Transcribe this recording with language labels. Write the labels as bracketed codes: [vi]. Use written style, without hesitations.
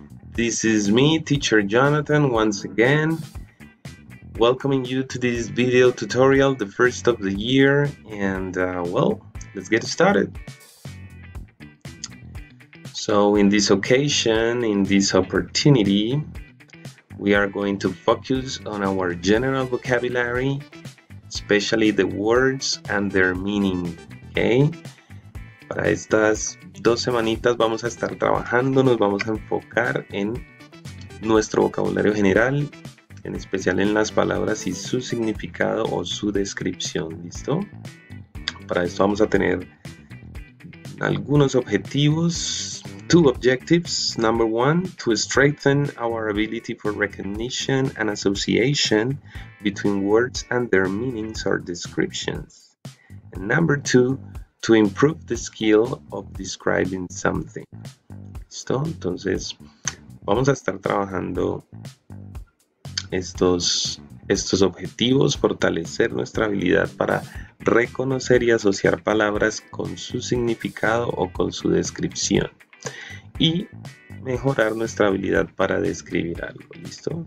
[en] This is me, teacher Jonathan, once again, welcoming you to this video tutorial, the first of the year, and well, let's get started. So in this occasion, in this opportunity, we are going to focus on our general vocabulary, especially the words and their meaning, okay? [es] Para estas dos semanitas vamos a estar trabajando, nos vamos a enfocar en nuestro vocabulario general, en especial en las palabras y su significado o su descripción, ¿listo? Para esto vamos a tener algunos objetivos. [en] Two objectives. Number one, to strengthen our ability for recognition and association between words and their meanings or descriptions. And number two, to improve the skill of describing something. [es] ¿Listo? Entonces, vamos a estar trabajando estos objetivos, fortalecer nuestra habilidad para reconocer y asociar palabras con su significado o con su descripción. Y mejorar nuestra habilidad para describir algo, ¿listo?